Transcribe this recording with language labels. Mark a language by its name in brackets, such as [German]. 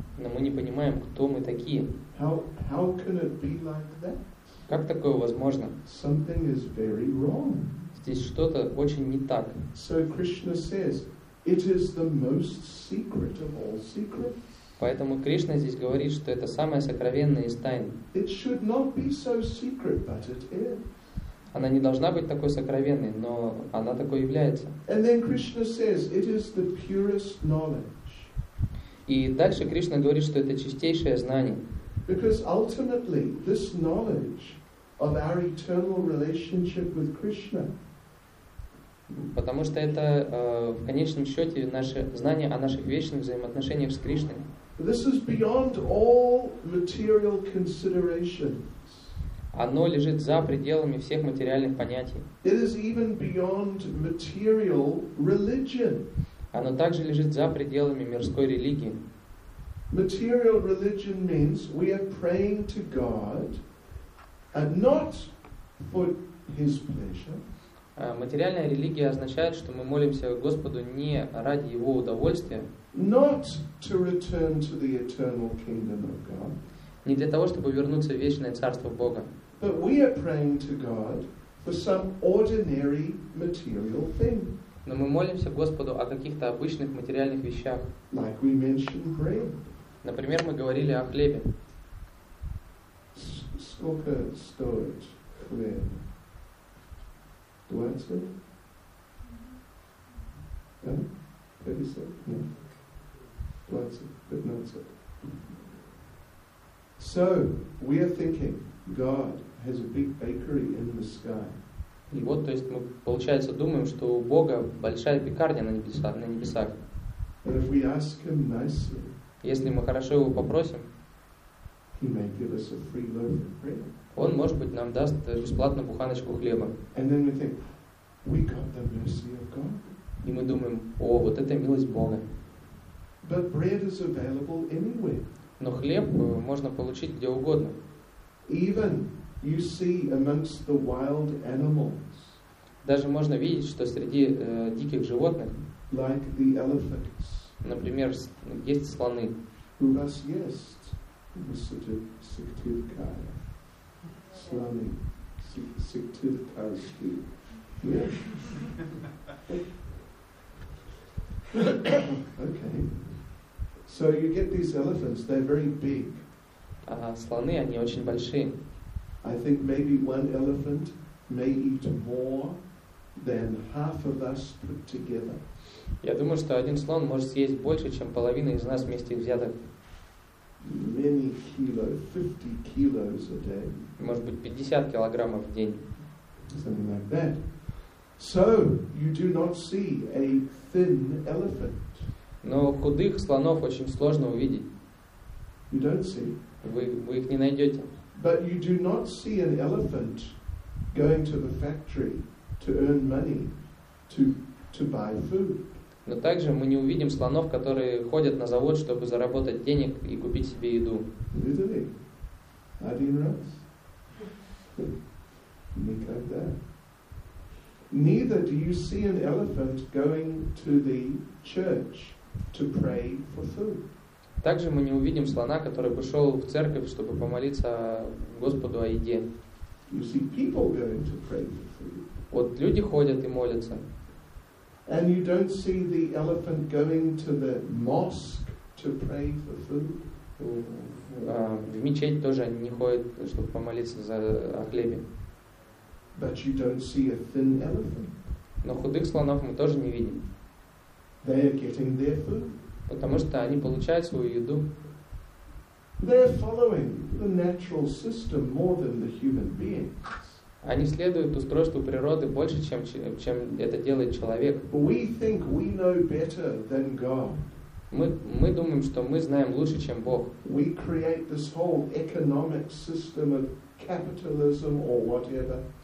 [Russian] Но мы не понимаем, кто мы такие. [English] How can it be like that? [Russian] Как такое возможно? [English] Something is very wrong. [Russian] Здесь что-то очень не так. [English] So Krishna says. It is the most secret of all secrets. [Russian] Поэтому Кришна здесь говорит, что это самое сокровенное из тайн. [English] It should not be so secret, but it is. [Russian] Она не должна быть такой сокровенной, но она такой является. [English] And then Krishna says, it is the purest knowledge. [Russian] И дальше Кришна говорит, что это чистейшее знание. [English] Because ultimately, this knowledge of our eternal relationship with Krishna [Russian] Потому что это в конечном счете наше знание о наших вечных взаимоотношениях с Кришной. [English] This is beyond all material considerations. [Russian] Оно лежит за пределами всех материальных понятий. [English] It is even beyond material religion. [Russian] Оно также лежит за пределами мирской религии. [English] Material religion means we are praying to God and not for His pleasure. [Russian] Материальная религия означает, что мы молимся Господу не ради Его удовольствия. [English] Not to return to the eternal kingdom of God. [Russian] Не для того, чтобы вернуться в вечное царство Бога. [English] But we are praying to God for some ordinary material thing. [Russian] Но мы молимся Господу о каких-то обычных материальных вещах. [English] Like we mentioned bread. [Russian] Например, мы говорили о хлебе. Сколько стоит хлеб? 20? 50? 20? 15? [English] So we are thinking God has a big bakery in the sky. [Russian] И вот, то есть мы, получается, думаем, что у Бога большая пекарня на небесах. [English] But if we ask Him nicely, [Russian] если мы хорошо Его попросим, [English] He may give us a free loaf of bread. [Russian] Он, может быть, нам даст бесплатно буханочку хлеба. [English] And then we think, we got the mercy of God. [Russian] И мы думаем, о, вот это милость Бога. [English] But bread is available anywhere. [Russian] Но хлеб можно получить где угодно. [English] Even you see amongst the wild animals. [Russian] Даже можно видеть, что среди диких животных, [English] like the elephants, [Russian] например, есть слоны. Who must yest in the Syktyvkar. Slony. Syktyvkarsky. Yeah. [English] Okay. So you get these elephants, they're very big. [Russian] Слоны, они очень большие. [English] I think maybe one elephant may eat more than half of us put together. [Russian] Я думаю, что один слон может съесть больше, чем половина из нас вместе взятых. [English] Many kilos, 50 kilos a day. [Russian] Может быть, 50 килограммов в день. [English] Something like that. So you do not see a thin elephant. [Russian] Но худых слонов очень сложно увидеть. [English] You don't see. [Russian] Вы их не найдете. [English] But you do not see an elephant going to the factory to earn money to buy food. [Russian] Но также мы не увидим слонов, которые ходят на завод, чтобы заработать денег и купить себе еду. Literally. Один раз. Никогда. [English] Neither do you see an elephant going to the church to pray for food. [Russian] Также мы не увидим слона, который бы шел в церковь, чтобы помолиться Господу о еде. [English] You see people going to pray for food. [Russian] Вот люди ходят и молятся. [English] And you don't see the elephant going to the mosque to pray for food. [Russian] В мечеть тоже не ходят, чтобы помолиться за о хлебе. [English] But you don't see a thin elephant. [Russian] Но худых слонов мы тоже не видим. [English] They are getting their food. [Russian] Потому что они получают свою еду. [English] They are following the natural system more than the human beings. [Russian] Они следуют устройству природы больше, чем это делает человек. [English] We think we know better than God. [Russian] Мы думаем, что мы знаем лучше, чем Бог. [English] We create this whole economic system of capitalism or whatever.